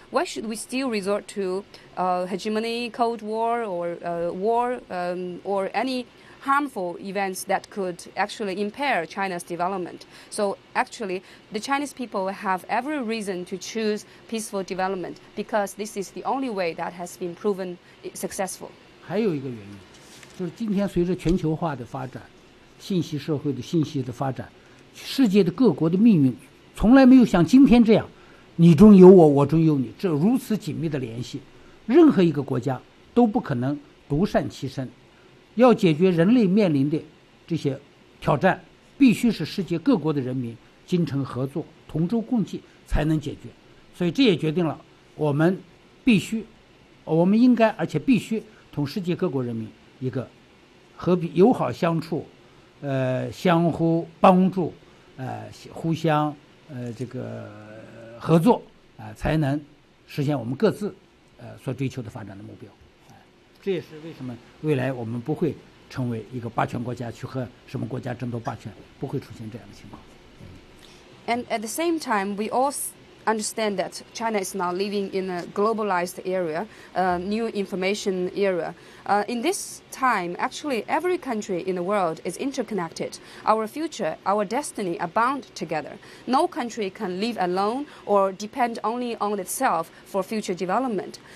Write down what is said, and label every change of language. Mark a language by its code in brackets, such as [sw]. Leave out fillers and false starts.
[en] Why should we still resort to hegemony, cold war, or war, or any harmful events that could actually impair China's development? So actually, the Chinese people have every reason to choose peaceful development because this is the only way that has been proven successful. [zh] 还有一个原因，就是今天随着全球化的发展，信息社会的信息的发展，世界的各国的命运从来没有像今天这样，你中有我，我中有你，这如此紧密的联系，任何一个国家都不可能独善其身。要解决人类面临的这些挑战，必须是世界各国的人民精诚合作，同舟共济才能解决。所以这也决定了我们必须，我们应该而且必须同世界各国人民一个和平友好相处，相互帮助，互相这个合作啊，才能实现我们各自所追求的发展的目标。这也是为什么未来我们不会成为一个霸权国家去和什么国家争夺霸权，不会出现这样的情况。 [en] And at the same time, we all understand that China is now living in a globalized era, a new information era. In this time, actually, every country in the world is interconnected. Our future, our destiny are bound together. No country can live alone or depend only on itself for future development.